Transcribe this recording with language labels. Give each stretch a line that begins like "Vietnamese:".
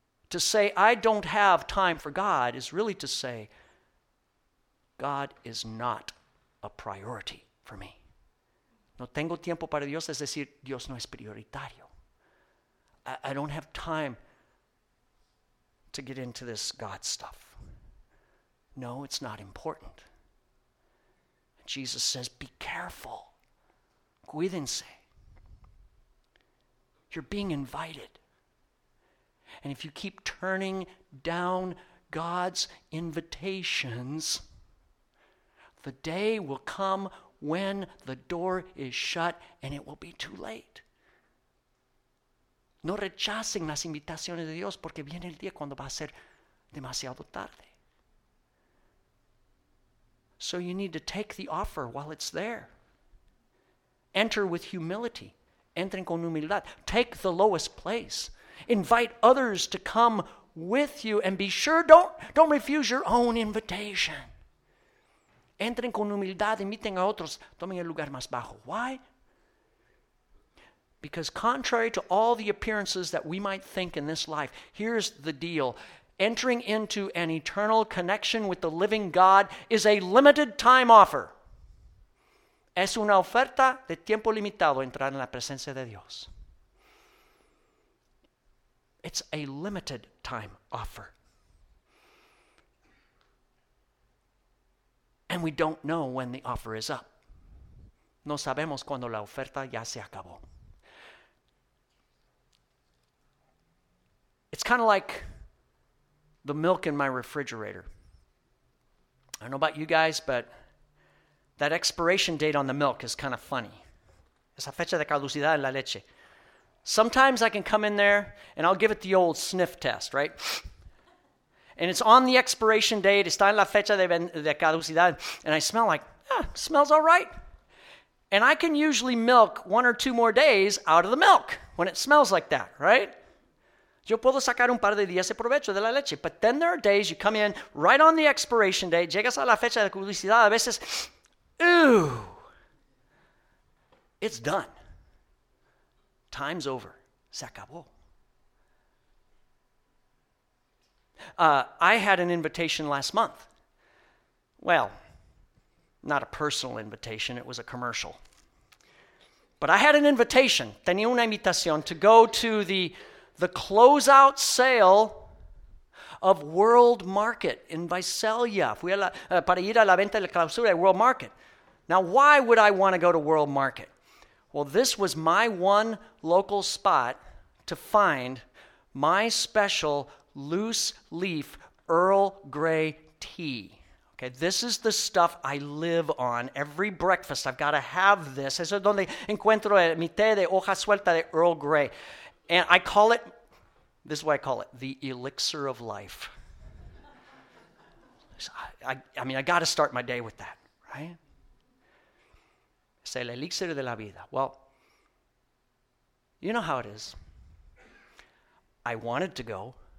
English: To say, I don't have time for God is really to say, God is not a priority for me.
Spanish: No tengo tiempo para Dios, es decir, Dios no es prioritario.
English: I don't have time to get into this God stuff. No, it's not important. Jesus says, be careful.
Spanish: Cuídense.
English: You're being invited. And if you keep turning down God's invitations, the day will come when the door is shut and it will be too late.
Spanish: No rechacen las invitaciones de Dios porque viene el día cuando va a ser demasiado tarde.
English: So you need to take the offer while it's there. Enter with humility.
Spanish: Entren con humildad.
English: Take the lowest place. Invite others to come with you and be sure, don't refuse your own invitation.
Spanish: Entren con humildad, inviten a otros, tomen el lugar más bajo.
English: Why? Because contrary to all the appearances that we might think in this life, here's the deal. Entering into an eternal connection with the living God is a limited time offer.
Spanish: Es una oferta de tiempo limitado entrar en la presencia de Dios.
English: It's a limited time offer. And we don't know when the offer is up.
Spanish: No sabemos cuando la oferta ya se acabó.
English: It's kind of like the milk in my refrigerator. I don't know about you guys, but that expiration date on the milk is kind of funny.
Spanish: Esa fecha de caducidad en la leche.
English: Sometimes I can come in there and I'll give it the old sniff test, right? And it's on the expiration date,
Spanish: está en la fecha de caducidad,
English: and I smell like, smells all right. And I can usually milk one or two more days out of the milk when it smells like that, right?
Spanish: Yo puedo sacar un par de días de provecho de la leche.
English: But then there are days you come in right on the expiration date,
Spanish: llegas a la fecha de caducidad, a veces,
English: it's done. Time's over.
Spanish: Se acabó.
English: I had an invitation last month. Well, not a personal invitation. It was a commercial. But I had an invitation.
Spanish: Tenía una invitación
English: to go to the closeout sale of World Market in Visalia.
Spanish: Fui a la, para ir a la venta de la clausura de World Market.
English: Now, why would I want to go to World Market? Well, this was my one local spot to find my special loose leaf Earl Grey tea. Okay, this is the stuff I live on. Every breakfast, I've got to have this.
Spanish: Eso es donde encuentro mi té de hoja suelta de Earl Grey.
English: And I call it, this is what I call it, the elixir of life. I got to start my day with that, right?
Spanish: Es el elixir de la vida.
English: Well, you know how it is. I wanted to go.